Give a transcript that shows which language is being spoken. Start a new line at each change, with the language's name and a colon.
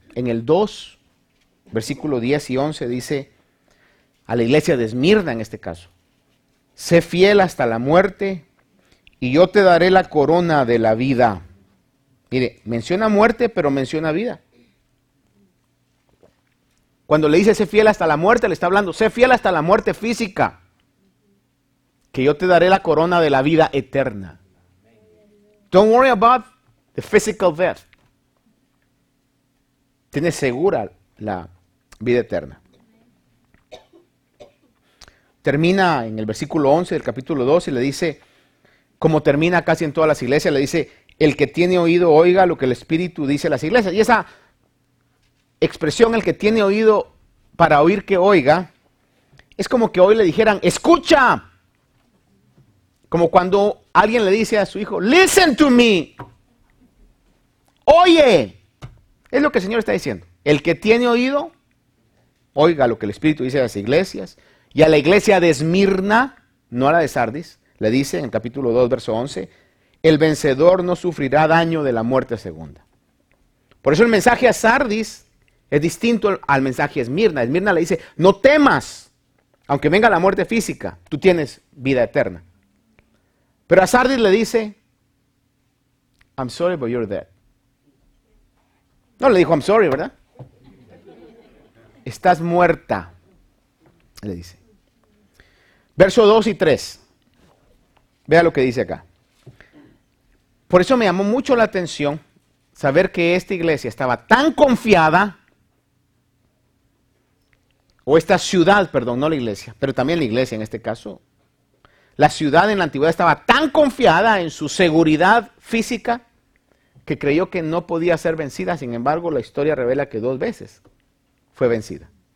Spanish: En el 2, versículo 10 y 11, dice a la iglesia de Esmirna en este caso, sé fiel hasta la muerte y yo te daré la corona de la vida. Mire, menciona muerte, pero menciona vida. Cuando le dice sé fiel hasta la muerte, le está hablando, sé fiel hasta la muerte física, que yo te daré la corona de la vida eterna.
English: Don't worry about the physical death.
Spanish: Tienes segura la vida eterna. Termina en el versículo 11 del capítulo 2 y le dice, como termina casi en todas las iglesias, le dice, el que tiene oído oiga lo que el Espíritu dice a las iglesias. Y esa expresión, el que tiene oído para oír que oiga, es como que hoy le dijeran, escucha. Como cuando alguien le dice a su hijo,
English: listen to me.
Spanish: Oye. Es lo que el Señor está diciendo. El que tiene oído, oiga lo que el Espíritu dice a las iglesias. Y a la iglesia de Esmirna, no a la de Sardis, le dice en el capítulo 2, verso 11, el vencedor no sufrirá daño de la muerte segunda. Por eso el mensaje a Sardis es distinto al mensaje a Esmirna. Esmirna le dice, no temas, aunque venga la muerte física, tú tienes vida eterna. Pero a Sardis le dice,
English: I'm sorry, but you're dead.
Spanish: No le dijo,
English: I'm sorry,
Spanish: ¿verdad? Estás muerta, le dice. Verso 2 y 3, vea lo que dice acá. Por eso me llamó mucho la atención saber que esta iglesia estaba tan confiada, o esta ciudad, perdón, no la iglesia, pero también la iglesia en este caso, la ciudad en la antigüedad estaba tan confiada en su seguridad física que creyó que no podía ser vencida, sin embargo la historia revela que dos veces fue vencida.